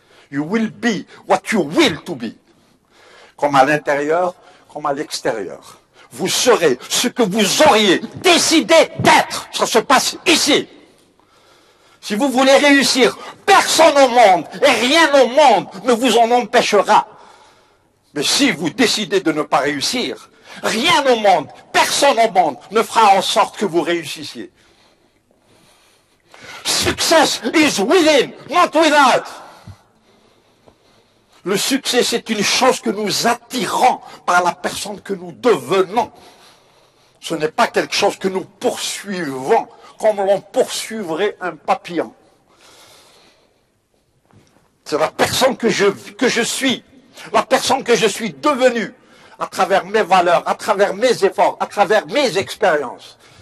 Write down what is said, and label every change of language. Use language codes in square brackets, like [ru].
[en] You will be what you will to be. [fr] Comme à l'intérieur, comme à l'extérieur. Vous serez ce que vous auriez décidé d'être. Ça se passe ici. Si vous voulez réussir, personne au monde et rien au monde ne vous en empêchera. Mais si vous décidez de ne pas réussir, rien au monde, personne au monde ne fera en sorte que vous réussissiez. [en] Success is within, not without. [fr] Le succès, c'est une chose que nous attirons par la personne que nous devenons. Ce n'est pas quelque chose que nous poursuivons comme l'on poursuivrait un papillon. C'est la personne que je suis, la personne que je suis devenue à travers mes valeurs, à travers mes efforts, à travers mes expériences.